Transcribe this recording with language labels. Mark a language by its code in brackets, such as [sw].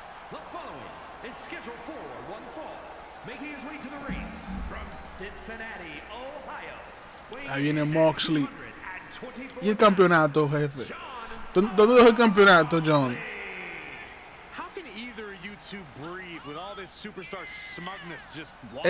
[en] The following is scheduled for one fall, making his way to the ring from Cincinnati, Ohio. [es] Ahí viene Moxley. ¿Y el campeonato, jefe? ¿Dónde dejó el campeonato, John? [en] How can either of you two breathe with all this superstar smugness just walking?